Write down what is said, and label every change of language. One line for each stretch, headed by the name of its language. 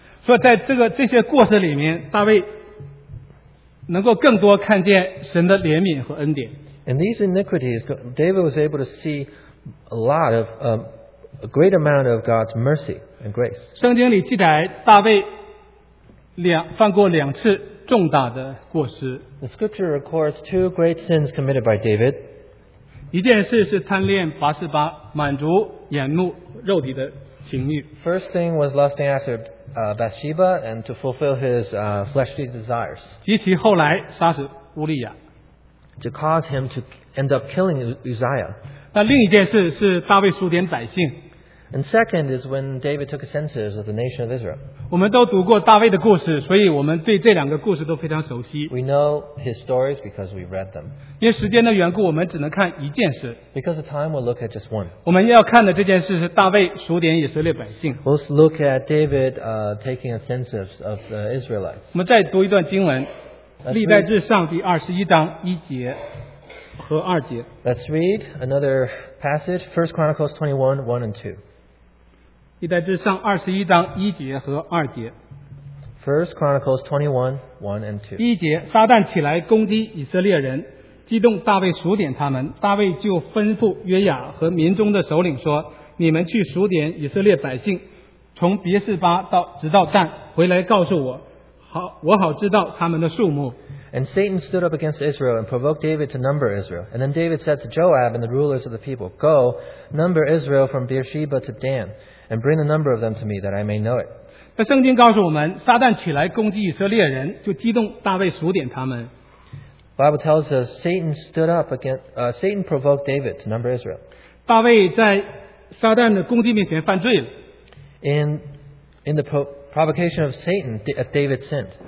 Chinese: 所以在这些过失里面, 大卫能够更多看见神的怜悯和恩典。
English: In these iniquities, David was able to see a great amount of God's mercy and grace.
Chinese: 圣经里记载大卫犯过两次重大的过失。
English: The scripture records two great sins committed by David.
Chinese: 一件事是贪恋拔示巴,满足眼目肉体的情欲。
English: First thing was lusting after Bathsheba and to fulfill his fleshly desires.
Chinese: 及其后来杀死乌利亚。
English: To cause him to end up killing Uzziah.
Chinese: 那另一件事是大卫数点百姓。
English: And second is when David took a census of the nation of Israel.
Chinese: 我们都读过大卫的故事，所以我们对这两个故事都非常熟悉。
English: We know his stories because we read them.
Chinese: 因为时间的缘故，我们只能看一件事。
English: Because of time, we'll look at just one.
Chinese: 我们要看的这件事是大卫数点以色列百姓。
English: Let's look at David taking a census of the Israelites.
Chinese: 我们再读一段经文，历代志上第二十一章一节和二节。
English: Let's read another passage, 1 Chronicles 21, 1 and 2.
Chinese: 历代志上二十一章一节和二节。
English: First Chronicles 21:1-2。
Chinese: 第一节，撒旦起来攻击以色列人，激动大卫数点他们。大卫就吩咐约雅和民中的首领说：“你们去数点以色列百姓，从别示巴到直到但，回来告诉我，好我好知道他们的数目。”
English: And Satan stood up against Israel and provoked David to number Israel. And then David said to Joab and the rulers of the people, "Go, number Israel from Beersheba to Dan. And bring the number of them to me that I may know it." 那圣经告诉我们，撒旦起来攻击以色列人，就激动大卫数点他们。 Bible tells us Satan stood up against, Satan provoked David to number Israel. 大卫在撒旦的攻击面前犯罪了。 In the provocation of Satan, David sinned.